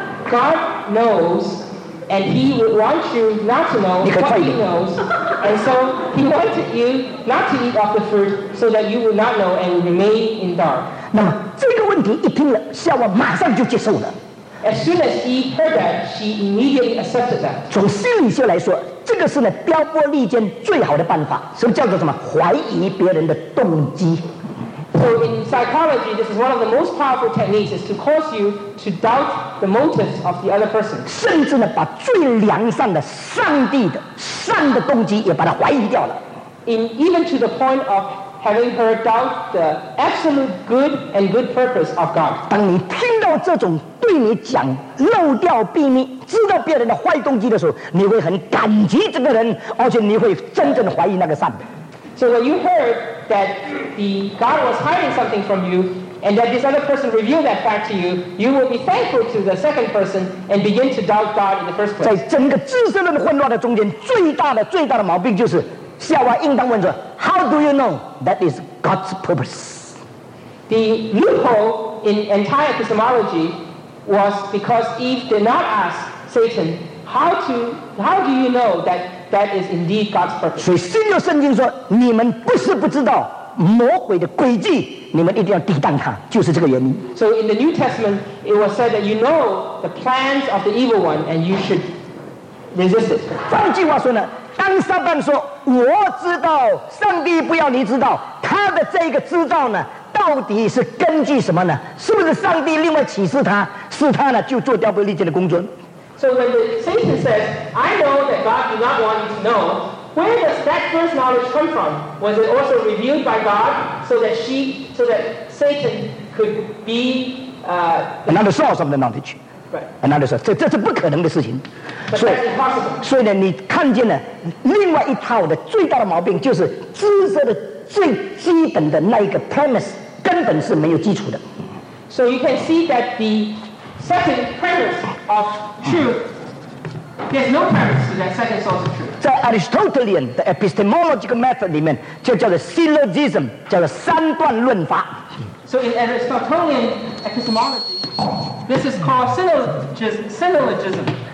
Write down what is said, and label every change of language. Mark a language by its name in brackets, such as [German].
[English] God knows, and He would want you not to know. [Chinese] 你可快一点。 [English] He knows, And so he wanted you not to eat of the fruit so that you would not know and remain in dark. [Chinese] 那么这个问题一听了，夏娃马上就接受了。 [English] As soon as he heard that, she immediately accepted that. [Chinese] 从心理学来说，这个是呢撩拨离间最好的办法，所以叫做什么？怀疑别人的动机。 [English] So in psychology, this is one of the most powerful techniques, is to cause you to doubt the motives of the other person. [Chinese] 甚至呢，把最良善的上帝的善的动机也把它怀疑掉了。 [English] In even to the point of having her doubt the absolute good and good purpose of God. [Chinese] 当你听到这种对你讲漏掉秘密，知道别人的坏动机的时候，你会很感激这个人，而且你会真正怀疑那个善的。 [English] So when you heard that the God was hiding something from you, and that this other person revealed that fact to you, you will be thankful to the second person and begin to doubt God in the first place. [Chinese] 在整个知识论混乱的中间，最大的毛病就是，夏娃应当问着 ， [English] How do you know that is God's purpose? The loophole in entire epistemology was because Eve did not ask Satan how do you know that that is indeed God's purpose. [Chinese] 所以新约圣经说，你们不是不知道魔鬼的诡计，你们一定要抵挡他，就是这个原因。 [English] So in the New Testament, it was said that you know the plans of the evil one and you should resist it. [Chinese] 换句话说呢？当撒旦说我知道上帝不要你知道，他的这个知道呢到底是根据什么呢？是不是上帝另外启示他，是他呢就做撩拨离间的工作？ [English] So when the Satan says I know that God do not want you to know, where does that first knowledge come from? Was it also revealed by God so that Satan could be another source of the knowledge? Right. Another source. [Chinese] 这是不可能的事情。所以呢你看见了另外一套的最大的毛病，就是知识的最基本的那一个 premise 根本是没有基础的。 [English] So you can see that the second premise of truth, there's no premise to that second source of truth. [Chinese] 在 Aristotelian 的 epistemological method 里面就叫做 syllogism, 叫做三段论法。 [English] So in Aristotelian epistemology, this is called syllogism.